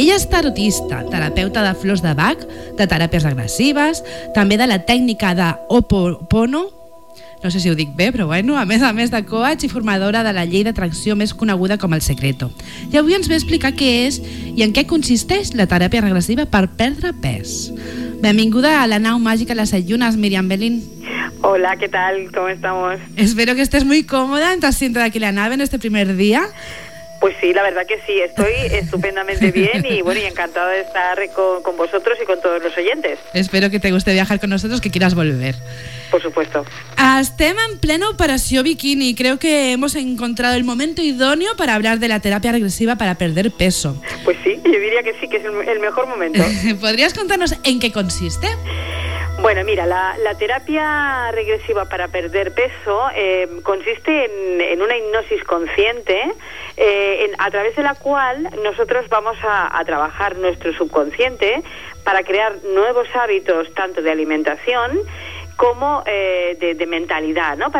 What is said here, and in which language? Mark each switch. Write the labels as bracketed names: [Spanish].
[Catalan] Ella és tarotista, terapeuta de flors de Bach, de teràpies regressives, també de la tècnica de Ho'oponopono, no sé si ho dic bé, però bueno, a més de coach i formadora de la llei d'atracció més coneguda com el secreto. I avui ens ve a explicar què és i en què consisteix la teràpia regressiva per perdre pes. Benvinguda a la nau màgica de les set llunes, Miriam Belín. [Spanish] Hola, ¿qué tal? ¿Cómo estamos? Espero que estés muy cómoda, te sientes aquí la nave en este primer día. Pues sí, la verdad que sí, estoy estupendamente bien y bueno, y encantada de estar con vosotros y con todos los oyentes. Espero que te guste viajar con nosotros, que quieras volver. Por supuesto. [Catalan] Estem en plena operació bikini. [Spanish] Creo que hemos encontrado el momento idóneo para hablar de la terapia regresiva para perder peso. Pues sí, yo diría que sí, que es el mejor momento. ¿Podrías contarnos en qué consiste? Bueno, mira, la terapia regresiva para perder peso consiste en una hipnosis consciente a través de la cual nosotros vamos a trabajar nuestro subconsciente para crear nuevos hábitos tanto de alimentación como de mentalidad, ¿no?